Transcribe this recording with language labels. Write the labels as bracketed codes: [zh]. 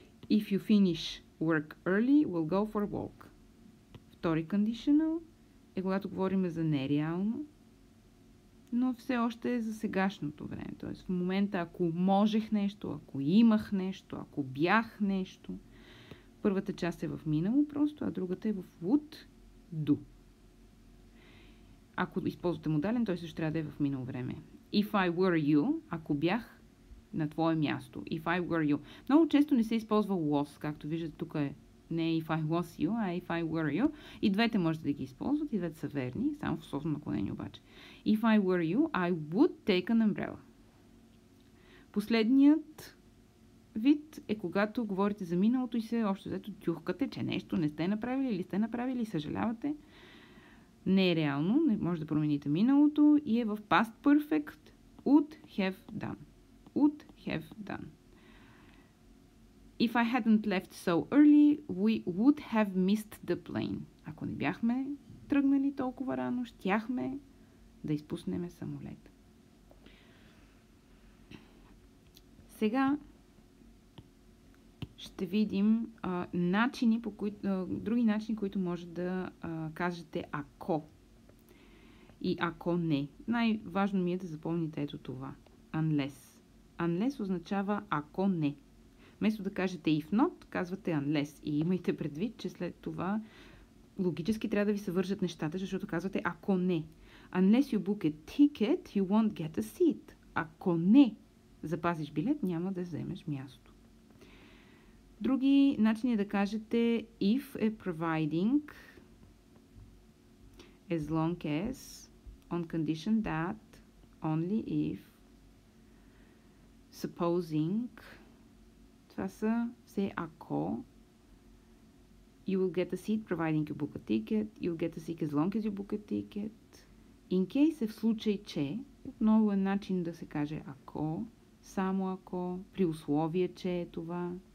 [en] If you finish work early, we'll go for a walk. [bg] Втори conditional е когато говорим за нереално, но все още е за сегашното време. Тоест, в момента, ако можех нещо, ако имах нещо, ако бях нещо, първата част е в минало просто, а другата е в would do. Ако използвате модален, той също трябва да е в минало време. [en] If I were you, [bg] ако бях на твое място. [en] If I were you. [bg] Много често не се използва was, както виждате тук е не [en] if I was you, [bg] а [en] if I were you. [bg] И двете можете да ги използвате, и двете са верни, само в условно наклонение обаче. [en] If I were you, I would take an umbrella. [bg] Последният вид е когато говорите за миналото и се общо взето тюхкате, че нещо не сте направили или сте направили и съжалявате. Не е реално, не може да промените миналото и е в past perfect would have done. [en] Would have done. If I hadn't left so early, we would have missed the plane. [bg] Ако не бяхме тръгнали толкова рано, щяхме да изпуснем самолет. Сега ще видим начини, по които, други начини, които може да кажете ако и ако не. Най-важно ми е да запомните ето това. Unless. Unless означава ако не. Вместо да кажете if not, казвате unless. И имайте предвид, че след това логически трябва да ви се вържат нещата, защото казвате ако не. [en] Unless you book a ticket, you won't get a seat. [bg] Ако не запазиш билет, няма да вземеш място. Други начини да кажете [en] if е providing as long as on condition that only if supposing [bg] това са все ако [en] you will get a seat providing you book a ticket you will get a seat as long as you book a ticket in case [bg] е в случай че отново е начин да се каже ако само ако при условие че е това.